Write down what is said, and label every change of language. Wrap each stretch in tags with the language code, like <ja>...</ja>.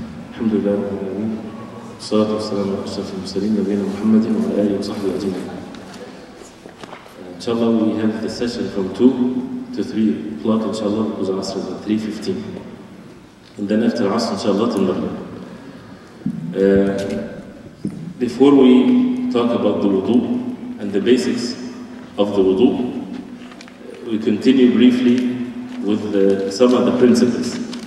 <ar>الحمد لله رب العالمين، والصلاة والسلام على أشرف المرسلين نبينا محمد وعلى آله وصحبه أجمعين.</ar> <en>إن شاء الله we have the session from 2 to 3 o'clock إن شاء الله, because العصر is at 3:15. And then after</en> <ar>العصر إن شاء الله المغرب.</ar> <en>Before we talk about the wudu and the basics of the wudu, we continue briefly with some of the principles.</en>